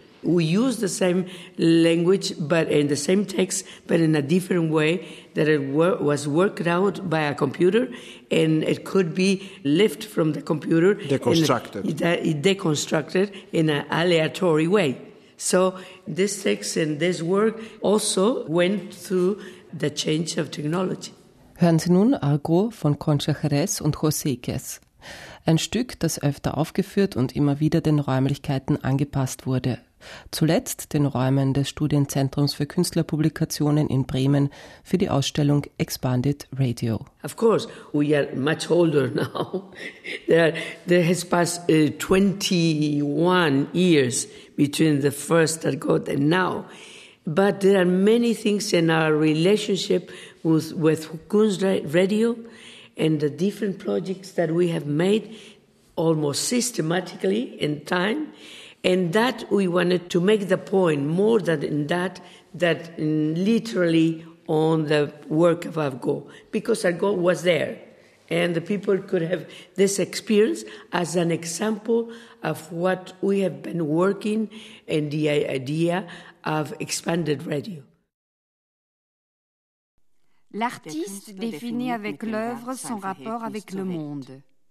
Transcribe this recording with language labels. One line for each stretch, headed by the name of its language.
English: We used the same language, but in the same text, but in a different way that it was worked out by a computer, and it could be lift from the computer. Deconstructed. Deconstructed in an aleatory way. So this text and this work also went through the change of technology.
German: Hören Sie nun Argo von Concha Jerez und José Iquez. Ein Stück, das öfter aufgeführt und immer wieder den Räumlichkeiten angepasst wurde. Zuletzt den Räumen des Studienzentrums für Künstlerpublikationen in Bremen für die Ausstellung Expanded Radio.
English: Of course, we are much older now. There has passed 21 years between the first Argot and now. But there are many things in our relationship with Kunst Radio and the different projects that we have made almost systematically in time. And that we wanted to make the point more than in that, that in literally on the work of Argo, because Argo was there and the people could have this experience as an example of what we have been working in the idea of expanded radio.
French: L'artiste définit avec l'œuvre son rapport avec le monde.